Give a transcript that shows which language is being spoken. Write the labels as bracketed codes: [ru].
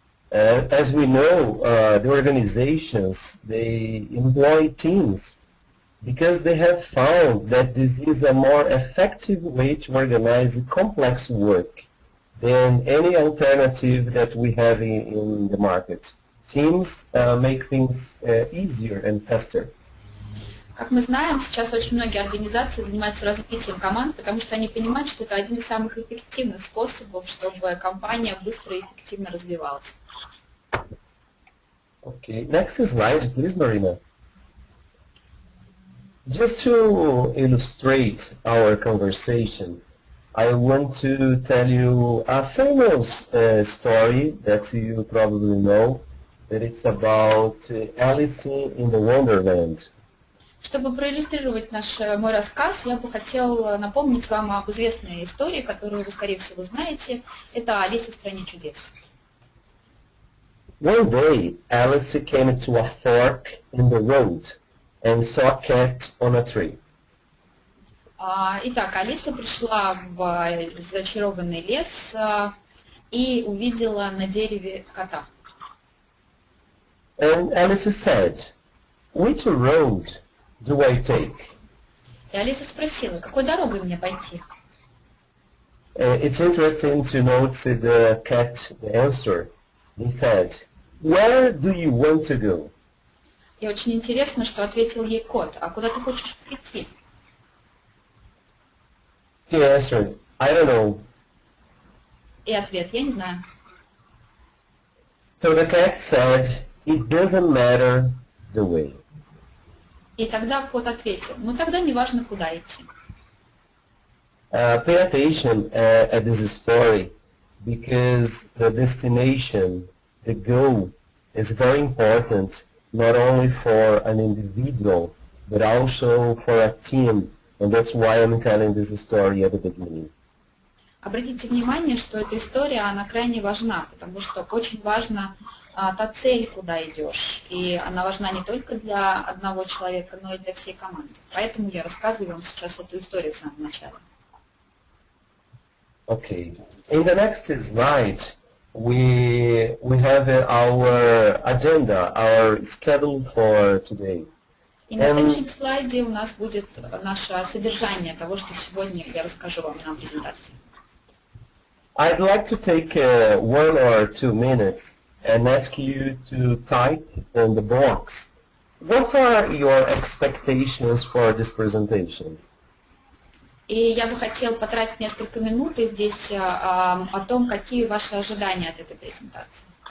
[en] As we know, the organizations, they employ teams. Because they have found that this is a more effective way to organize complex work than any alternative that we have in the market. Teams make things easier and faster. [ru] Как мы знаем, сейчас очень многие организации занимаются развитием команд, потому что они понимают, что это один из самых эффективных способов, чтобы компания быстро и эффективно развивалась. [en] Okay, next slide, please, Marina. Just to illustrate our conversation, I want to tell you a famous story that you probably know, that it's about Alice in the Wonderland. [ru] Чтобы проиллюстрировать мой рассказ, я бы хотел напомнить вам об известной истории, которую вы, скорее всего, знаете. Это «Алиса в стране чудес». [en] One day, Alice came to a fork in the road. And saw a cat on a tree. [ru] Итак, Алиса пришла в зачарованный лес и увидела на дереве кота. [en] And Alice said, "Which road do I take?" [ru] И Алиса спросила, какой дорогой мне пойти? [en] It's interesting to note the cat's answer. He said, "Where do you want to go?" [ru] И очень интересно, что ответил ей кот. А куда ты хочешь прийти? [en] He answered, I don't know. [ru] И ответ, я не знаю. [en] So the cat said, it doesn't matter the way. [ru] И тогда кот ответил, ну тогда не важно, куда идти. [en] Pay attention at this story, because the destination, the goal, is very important. Not only for an individual, but also for a team, and that's why I'm telling this story at the beginning. [ru] Обратите внимание, что эта история, она крайне важна, потому что очень важна та цель, куда идешь, и она важна не только для одного человека, но и для всей команды. Поэтому я рассказываю вам сейчас эту историю с самого начала. [en] Okay. In the next slide, We have our agenda, our schedule for today. [ru] И на следующем слайде у нас будет наше содержание того, что сегодня я расскажу вам на презентации. [en] I'd like to take one or two minutes and ask you to type in the box. What are your expectations for this presentation? [ru] И я бы хотел потратить несколько минут здесь о том, какие ваши ожидания от этой презентации.